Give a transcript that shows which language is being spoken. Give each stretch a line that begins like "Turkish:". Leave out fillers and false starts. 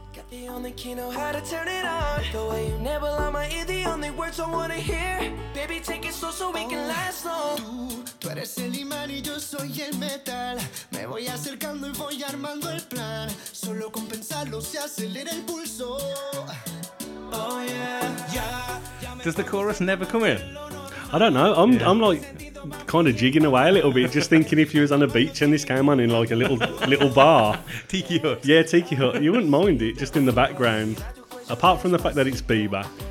English: The only key know how to turn it on. The way you never lie my ear, the only words I wanna hear. Baby, take it slow so we can last long.
Spanish: Tú eres el imán y yo soy el metal. Me voy acercando y voy armando el plan. Solo con pensarlo se acelera el pulso.
English: Oh yeah, yeah. Does the chorus never come in? I don't know. I'm like kind of jigging away a little bit, just thinking if you was on a beach and this came on in like a little bar. Tiki Hut. Yeah, Tiki Hut. You wouldn't mind it just in the background. Apart from the fact that it's Bieber.